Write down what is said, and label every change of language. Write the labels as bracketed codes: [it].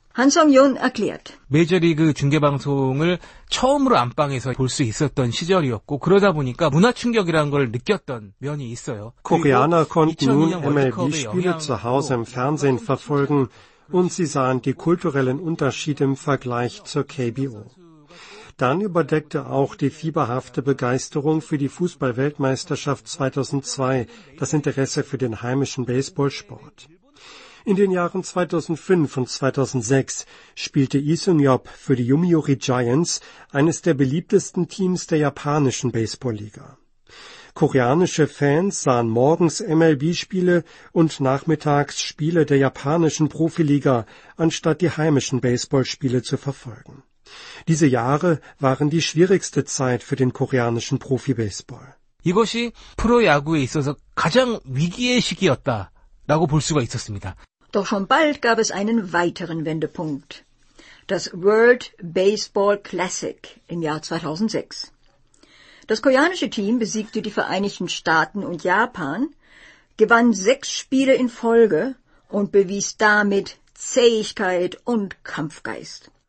[de] Han Song-yoon erklärt. [ko] 메이저리그 중계방송을 처음으로 안방에서 볼 수 있었던 시절이었고 그러다 보니까 문화 충격이라는 걸 느꼈던 면이 있어요. [de] Koreaner konnten nun MLB-Spiele zu Hause im Fernsehen verfolgen und sie sahen die kulturellen Unterschiede im Vergleich zur KBO. Dann überdeckte auch die fieberhafte Begeisterung für die Fußball-Weltmeisterschaft 2002 das Interesse für den heimischen Baseballsport. In den Jahren 2005 und 2006 spielte Lee Sun-yeop für die Yomiuri Giants, eines der beliebtesten Teams der japanischen Baseballliga. Koreanische Fans sahen morgens MLB-Spiele und nachmittags Spiele der japanischen Profiliga, anstatt die heimischen Baseballspiele zu verfolgen. Diese Jahre waren die schwierigste Zeit für den koreanischen Profi-Baseball. [ko] 이것이 프로야구에 있어서 가장 위기의 시기였다라고 볼 수가 있었습니다. [de] Doch schon bald gab es einen weiteren Wendepunkt. Das World Baseball Classic im Jahr 2006. Das koreanische Team besiegte die Vereinigten Staaten und Japan, gewann 6 Spiele in Folge und bewies damit Zähigkeit und Kampfgeist.